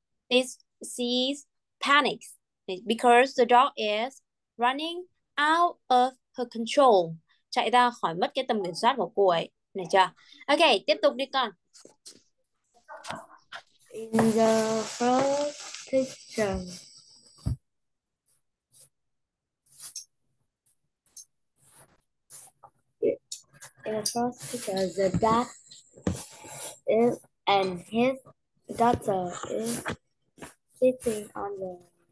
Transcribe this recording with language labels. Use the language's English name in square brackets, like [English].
[English] This sees panics because the dog is running out of her control. [Vietnamese] Chạy ra khỏi mất cái tầm kiểm soát của cô ấy. Này chưa? Ok, tiếp tục đi con. [English] In the first picture, the dad is and his daughter is sitting on the